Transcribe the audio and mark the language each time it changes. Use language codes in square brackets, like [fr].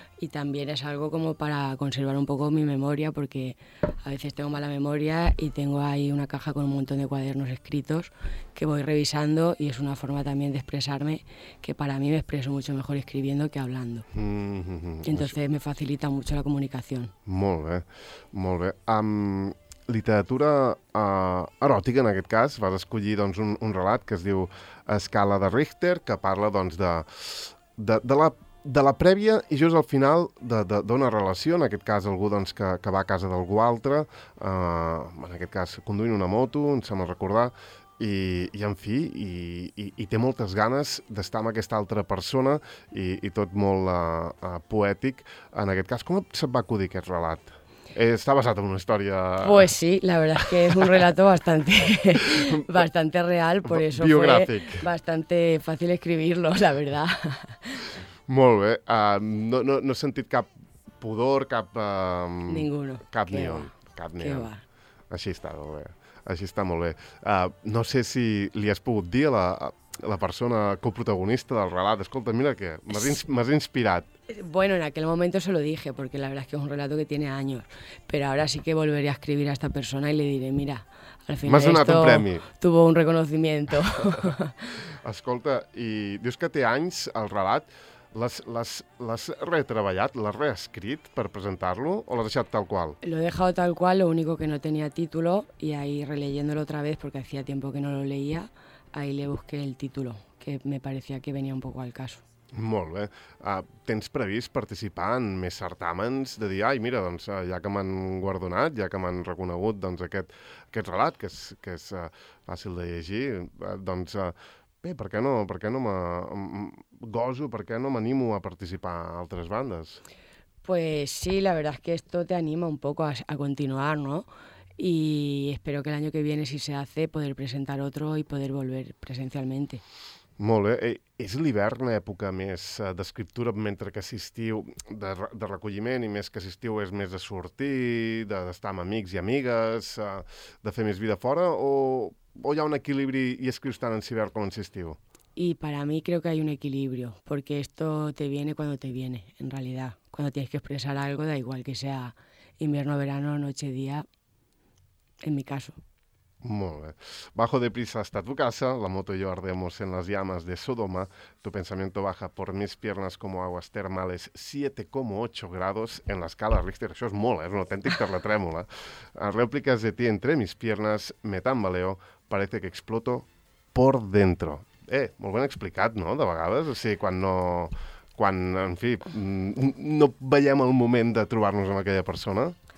[es] Y también es algo como para conservar un poco mi memoria, porque a veces tengo mala memoria y tengo ahí una caja con un montón de cuadernos escritos que voy revisando y es una forma también de expresarme, que para mí me expreso mucho mejor escribiendo que hablando. Entonces me facilita mucho la comunicación. [ca] Molt bé, molt bé. Literatura eròtica, en aquest cas, vas escollir doncs, un relat que es diu Escala de Richter, que parla doncs, de la prèvia i just al final d'una relació, en aquest cas algú doncs, que va a casa d'algú altre, en aquest cas conduint una moto, em sembla recordar, i en fi, té moltes ganes d'estar amb aquesta altra persona i tot molt poètic. En aquest cas, com se't va acudir aquest relat? [es] Está basado en una historia... Pues sí, la verdad es que es un relato bastante real, por eso [ca] biogràfic. [es] Fue bastante fácil escribirlo, la verdad. [ca] Molt bé. No he sentit cap pudor, cap... [es] Ninguno. [ca] Cap neon. Cap neon. [es] Que va. [ca] Així està, molt bé. Així està, molt bé. No sé si li has pogut dir a la persona coprotagonista del relat, escolta, mira que m'has inspirat. [es] Bueno, en aquel momento se lo dije, porque la verdad es que es un relato que tiene años. Pero ahora sí que volveré a escribir a esta persona y le diré, mira, al final [ca] m'has donat [es] esto [ca] un premi. [es] Tuvo un reconocimiento. [ca] Escolta, i dius que té anys el relat. L'has retreballat, l'has reescrit per presentar-lo o l'has deixat tal qual? [es] Lo he dejado tal cual, lo único que no tenía título y ahí releyéndolo otra vez porque hacía tiempo que no lo leía, ahí le busqué el título, que me parecía que venía un poco al caso. [ca] Molt bé. Tens previst participar en més certàmens de dir, ai, mira, doncs, ja que m'han guardonat, ja que m'han reconegut doncs, aquest relat, que és fàcil de llegir, doncs, bé, per què no me gozo, per què no m'animo a participar a altres bandes? [es] Pues sí, la verdad es que esto te anima un poco a continuar, ¿no? Y espero que el año que viene, si se hace, poder presentar otro y poder volver presencialmente. [ca] Molt bé. És l'hivern època més d'escriptura, mentre que assistiu de recolliment, i més que assistiu és més de sortir, d'estar amb amics i amigues, de fer més vida fora, o hi ha un equilibri i escrius tant en hivern com en assistiu? [es] Y para mí creo que hay un equilibrio, porque esto te viene cuando te viene, en realidad. Cuando tienes que expresar algo, da igual que sea invierno, verano, noche, día, en mi caso. [ca] Molt bé. [es] Bajo de prisa hasta tu casa, la moto y yo ardemos en las llamas de Sodoma, tu pensamiento baja por mis piernas como aguas termales, 7,8 grados en la escala Richter. [ca] Això és molt, és una autèntica terratrèmola. [es] Réplicas de ti entre mis piernas, me tambaleo, parece que exploto por dentro. [ca] Molt ben explicat, no?, de vegades. O sigui, quan, en fi, no veiem el moment de trobar-nos amb aquella persona.